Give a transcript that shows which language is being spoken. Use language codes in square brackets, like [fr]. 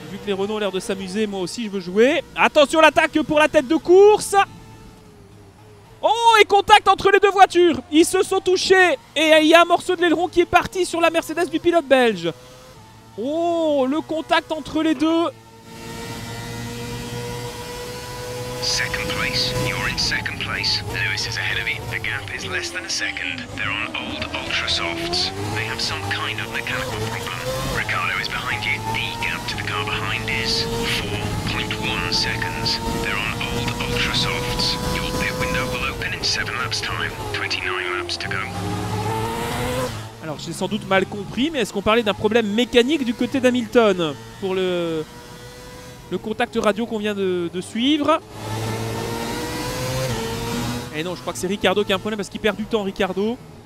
[fr] Vu que les Renault ont l'air de s'amuser, moi aussi je veux jouer. Attention l'attaque pour la tête de course. Oh, et contact entre les deux voitures. Ils se sont touchés et il y a un morceau de l'aileron qui est parti sur la Mercedes du pilote belge. Oh, le contact entre les deux. [en] Second place, you're in second place. Lewis is ahead of you. The gap is less than a second. They're on old ultra softs. They have some kind of mechanical problem. Ricardo is behind you. The gap to the car behind is 4.1 seconds. They're on old ultra softs. Your pit window will open in 7 laps time. 29 laps to go. [fr] Alors, j'ai sans doute mal compris, mais est-ce qu'on parlait d'un problème mécanique du côté d'Hamilton pour le contact radio qu'on vient de suivre? Et non, je crois que c'est Ricardo qui a un problème parce qu'il perd du temps, Ricardo.